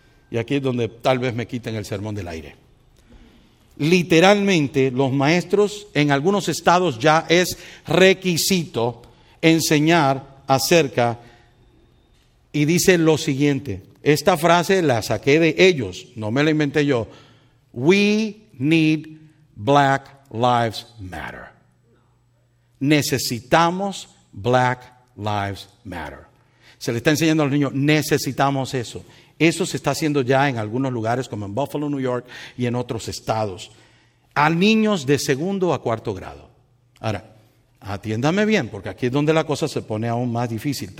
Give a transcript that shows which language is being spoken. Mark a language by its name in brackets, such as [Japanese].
[Spanish] Y aquí es donde tal vez me quiten el sermón del aire. Literalmente, los maestros en algunos estados ya es requisito enseñar acerca. Y dice lo siguiente. Esta frase la saqué de ellos, no me la inventé yo. [English] We need black lives matter. [Spanish] Necesitamos black lives matter. Se le está enseñando a los niños, necesitamos eso. Eso se está haciendo ya en algunos lugares como en Buffalo, New York y en otros estados. A niños de segundo a cuarto grado. Ahora, atiéndame bien, porque aquí es donde la cosa se pone aún más difícil.